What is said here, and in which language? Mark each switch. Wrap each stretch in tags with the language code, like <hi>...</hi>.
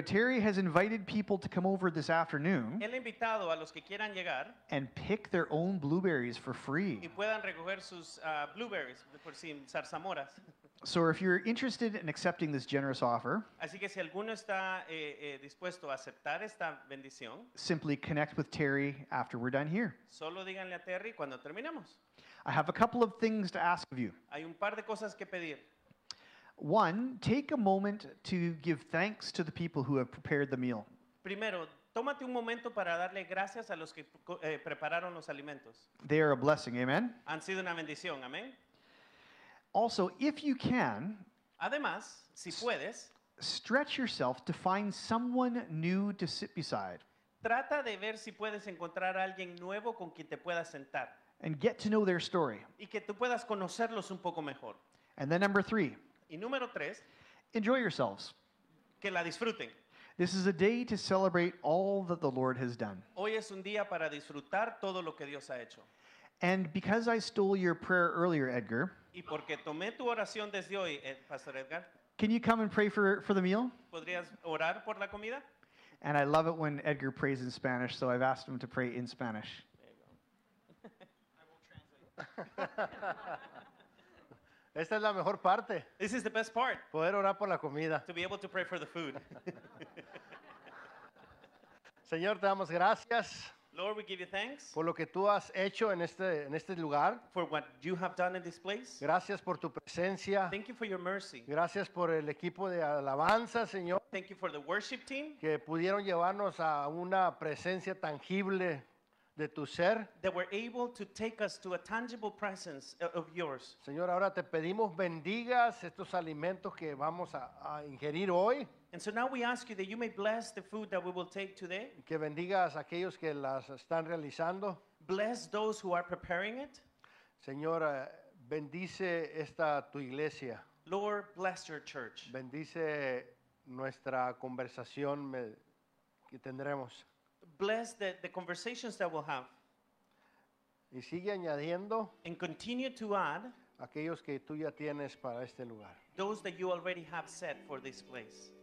<en>Terry has invited people to come over this afternoon.</en> <es>Él ha invitado a los que quieran llegar</es> <en>and pick their own blueberries for free.</en> <es>Y puedan recoger sus blueberries por sin zarzamoras.</es> <en>So if you're interested in accepting this generous offer,</en> <es>así que si alguno está dispuesto a aceptar esta bendición,</es> <en>simply connect with Terry after we're done here.</en> <es>Solo díganle a Terry cuando terminemos.</es> <en>I have a couple of things to ask of you.</en> <es>Hay un par de cosas que pedir.</es> <en>One, take a moment to give thanks to the people who have prepared the meal.</en> <es>Primero, Tómate un momento para darle gracias a los que prepararon los alimentos.</es> <en>They are a blessing, amen.</en> <es>Han sido una bendición, amén.</es> <en>Also, if you can,</en> <es>además, si puedes,</es> <en>stretch yourself to find someone new to sit beside.</en> <es>Trata de ver si puedes encontrar a alguien nuevo con quien te puedas sentar.</es> <en>And get to know their story.</en> <es>Y que tú puedas conocerlos un poco mejor.</es> <en>And then number three.</en> <es>Y número tres.</es> <en>Enjoy yourselves.</en> <es>Que la disfruten.</es> <en>This is a day to celebrate all that the Lord has done.</en> <es>Hoy es un día para disfrutar todo lo que Dios ha hecho.</es> <en>And because I stole your prayer earlier, Edgar.</en> <es>Y porque tomé tu oración desde hoy, Pastor Edgar.</es> <en>Can you come and pray for the meal?</en> <es>¿Podrías orar por la comida?</es> <en>And I love it when Edgar prays in Spanish, so I've asked him to pray in Spanish.</en> <es>Esta es la mejor parte.</es> <en>This is the best part.</en> <es>Poder orar por la comida.</es> <en>To be able to pray for the food.</en> <es>Señor, te damos gracias.</es> <en>Lord, we give you thanks.</en> <es>Por lo que tú has hecho en este lugar.</es> <en>For what you have done in this place.</en> <es>Gracias por tu presencia.</es> <en>Thank you for your mercy.</en> <es>Gracias por el equipo de alabanza, Señor.</es> <en>Thank you for the worship team.</en> <es>Que pudieron llevarnos a una presencia tangible. De tu ser.</es> <en>That were able to take us to a tangible presence of yours.</en> <es>Señor, ahora te pedimos bendigas estos alimentos que vamos a ingerir hoy.</es> <en>And so now we ask you that you may bless the food that we will take today.</en> <es>Que bendigas aquellos que las están realizando.</es> <en>Bless those who are preparing it.</en> <es>Señor, bendice esta tu iglesia.</es> <en>Lord, bless your church.</en> <es>Bendice nuestra conversación que tendremos.</es> <en>Bless the conversations that we'll have.</en> <es>Y sigue añadiendo.</es> <en>And continue to add.</en> <es>Aquellos que tú ya tienes para este lugar.</es> <en>Those that you already have set for this place.</en>